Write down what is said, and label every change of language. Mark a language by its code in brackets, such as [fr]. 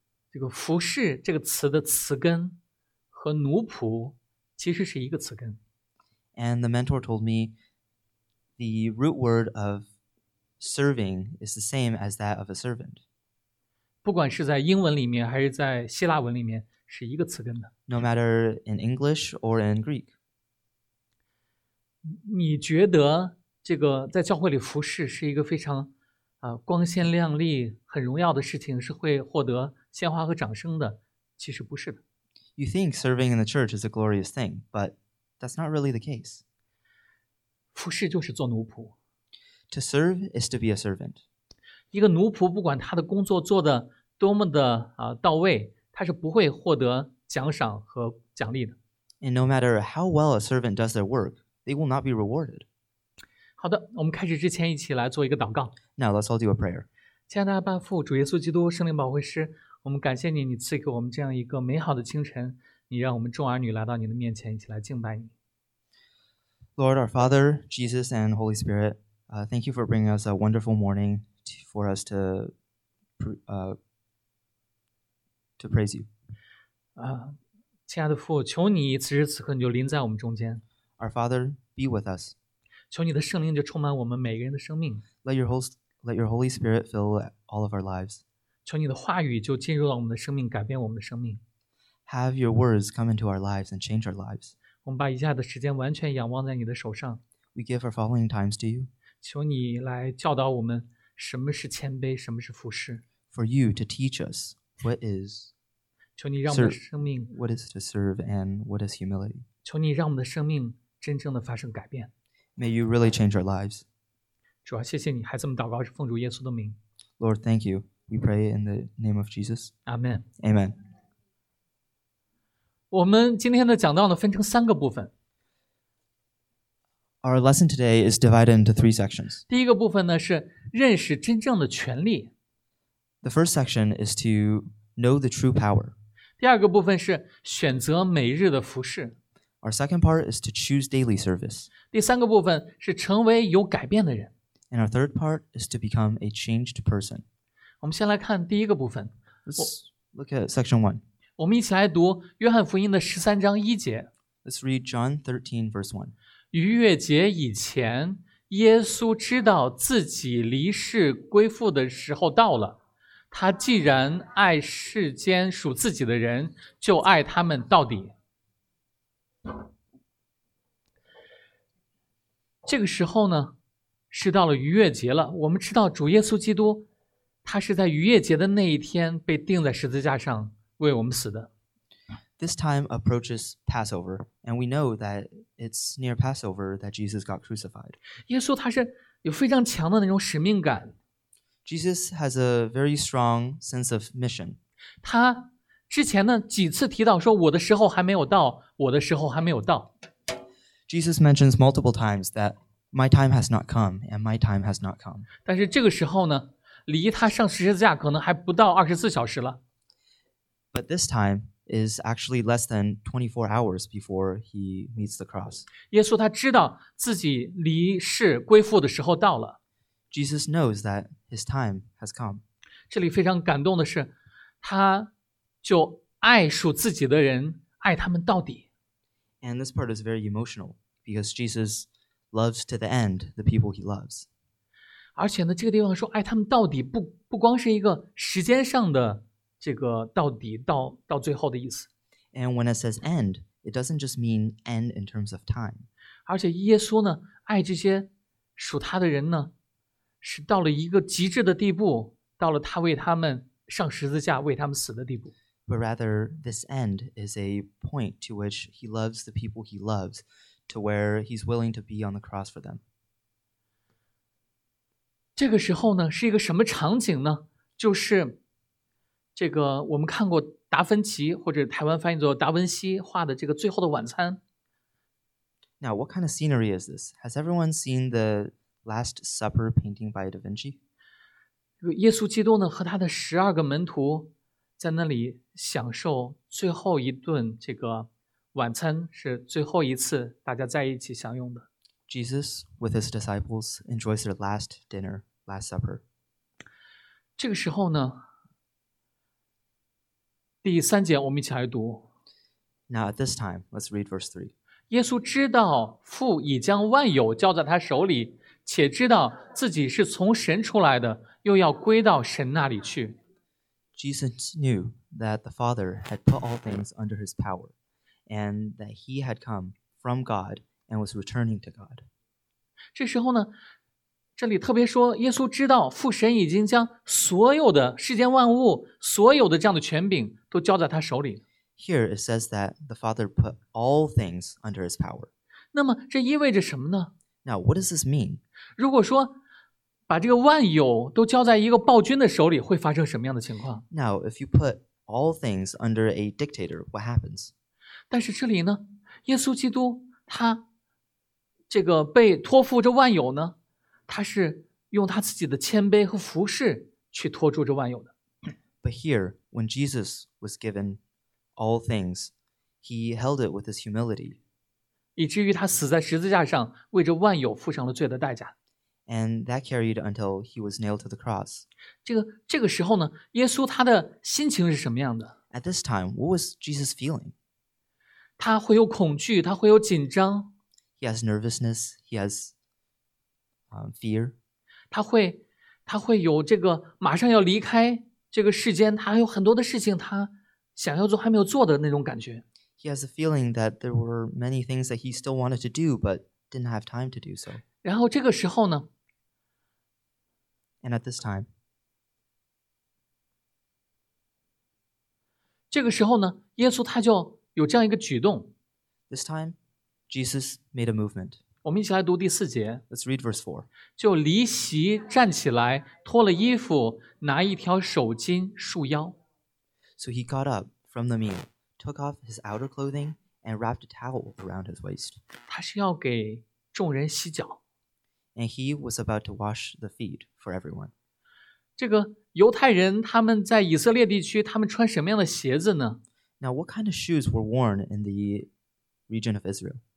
[zh] 这个服侍这个词的词根和奴仆其实是一个词根。 [en] And the mentor told me the root word of serving is the same as that of a servant. [zh] 不管是在英文里面还是在希腊文里面是一个词根的。 [en] No matter in English or in Greek. [zh] 你觉得这个在教会里服侍是一个非常光鲜亮丽很荣耀的事情是会获得鲜花和掌声的，其实不是的。 [en] You think serving in the church is a glorious thing, but that's not really the case. [zh] 服侍就是做奴仆。 [en] To serve is to be a servant. [zh] 一个奴仆不管他的工作做得多么的到位，他是不会获得奖赏和奖励的。 [en] And no matter how well a servant does their work, they will not be rewarded. [zh] 好的，我们开始之前一起来做一个祷告。 [en] Now let's all do a prayer. [zh] 亲爱的阿爸父，主耶稣基督，圣灵保惠师。我们感谢你，你赐给我们这样一个美好的清晨，你让我们众儿女来到你的面前，一起来敬拜你。 [en] Lord, our Father, Jesus, and Holy Spirit, thank you for bringing us a wonderful morning for us to praise you. [zh] 亲爱的父，求你此时此刻你就临在我们中间。 [en] Our Father, be with us. [zh] 求你的圣灵就充满我们每个人的生命。 [en] Let your Holy Spirit fill all of our lives. [zh] 求你的话语就进入到我们的生命，改变我们的生命。 [en] Have your words come into our lives and change our lives. [zh] 我们把以下的时间完全仰望在你的手上。 [en] We give our following times to you. [zh] 求你来教导我们什么是谦卑，什么是服侍。 [en] For you to teach us what is. [zh] 求你让我们的生命。 [en] What is to serve and what is humility? [zh] 求你让我们的生命真正的发生改变。 [en] May you really change our lives. [zh] 主啊，谢谢你，孩子们祷告是奉主耶稣的名。 [en] Lord, thank you. We pray in the name of Jesus. Amen. Amen. [zh] 我们今天的讲道呢分成三个部分。 [en] Our lesson today is divided into three sections. [zh] 第一个部分呢是认识真正的权利。 [en] The first section is to know the true power. [zh] 第二个部分是选择每日的服事。 [en] Our second part is to choose daily service. [zh] 第三个部分是成为有改变的人。 [en] And our third part is to become a changed person. [zh] 我们先来看第一个部分。 [en] Let's look at section one. [zh] 我们一起来读约翰福音的十三章一节。 [en] Let's read John 13 verse 1. [zh] 逾越节以前，耶稣知道自己离世归父的时候到了。他既然爱世间属自己的人，就爱他们到底。这个时候呢，是到了逾越节了。我们知道主耶稣基督，他是在逾越节的那一天被钉在十字架上为我们死的。 [en] This time approaches Passover, and we know that it's near Passover that Jesus got crucified. [zh] 耶稣他是有非常强的那种使命感。 [en] Jesus has a very strong sense of mission. [zh] 他之前呢几次提到说我的时候还没有到，我的时候还没有到。 [en] Jesus mentions multiple times that my time has not come and my time has not come. [zh] 但是这个时候呢，离他上十字架可能还不到二十四小时了。 [en] But this time. Is actually less than 24 hours before he meets the cross. [zh] 耶稣他知道自己离世归父的时候到了。 [en] Jesus knows that his time has come. [zh] 这里非常感动的是，他就爱属自己的人，爱他们到底。 [en] And this part is very emotional because Jesus loves to the end the people he loves. [zh] 而且呢，这个地方说爱他们到底，不光是一个时间上的。这个到底到最后的意思。 [en] And when it says end, it doesn't just mean end in terms of time. [zh] 而且耶稣呢，爱这些属他的人呢，是到了一个极致的地步，到了他为他们上十字架、为他们死的地步。 [en] But rather, this end is a point to which he loves the people he loves, to where he's willing to be on the cross for them. [zh] 这个时候呢，是一个什么场景呢？就是。这个我们看过达芬奇或者台湾翻译作达文西画的这个最后的晚餐。 [en] Now, what kind of scenery is this? Has everyone seen the Last Supper painting by Da Vinci? [zh] 耶稣基督呢和他的十二个门徒在那里享受最后一顿这个晚餐，是最后一次大家在一起享用的。 [en] Jesus with his disciples enjoys their last dinner, Last Supper. [zh] 这个时候呢第三节我们一起来读。 [en] Now at this time, let's read verse 3. [zh] 耶稣知道父已将万有交在他手里，且知道自己是从神出来的，又要归到神那里去。 [en] Jesus knew that the Father had put all things under his power, and that he had come from God and was returning to God. [zh] 这时候呢，这里特别说耶稣知道父神已经将所有的世间万物所有的这样的权柄都交在他手里。 [en] Here it says that the Father put all things under his power. [zh] 那么这意味着什么呢？ [en] Now what does this mean? [zh] 如果说把这个万有都交在一个暴君的手里会发生什么样的情况？ [en] Now if you put all things under a dictator, what happens? [zh] 但是这里呢，耶稣基督他这个被托付这万有呢，他是用他自己的谦卑和服事去托住这万有的。 [en] But here, when Jesus was given all things, he held it with his humility. [zh] 以至于他死在十字架上，为这万有付上了罪的代价。 [en] And that carried until he was nailed to the cross. [zh] 这个时候呢，耶稣他的心情是什么样的？ [en] At this time, what was Jesus feeling? [zh] 他会有恐惧，他会有紧张。 [en] He has nervousness, he has... fear. [zh] 他会有这个马上要离开这个世间，他还有很多的事情他想要做还没有做的那种感觉。 [en] He has a feeling that there were many things that he still wanted to do but didn't have time to do so. [zh] 然后这个时候呢 [en] And at this time. [zh] 这个时候呢，耶稣他就有这样一个举动。 [en] This time, Jesus made a movement. [zh] 我们一起来读第四节。 [en] Let's read verse 4. [zh] 就离席站起来，脱了衣服，拿一条手巾束腰。 [en] So he got up from the meal, took off his outer clothing, and wrapped a towel around his waist. [zh] 他是要给众人洗脚。 [en] And he was about to wash the feet for everyone. [zh] 这个犹太人他们在以色列地区他们穿什么样的鞋子呢？ [en] Now what kind of shoes were worn in the region of Israel?